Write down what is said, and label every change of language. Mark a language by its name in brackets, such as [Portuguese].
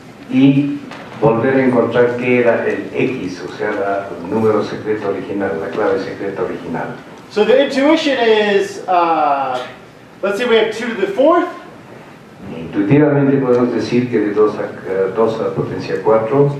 [Spanish] Y volver a encontrar qué era el x, o sea, el número secreto original, la clave secreta original. [English] So the intuition is, let's say we have 2 to the 4th. [Spanish] Intuitivamente podemos decir que de 2 a la potencia 4.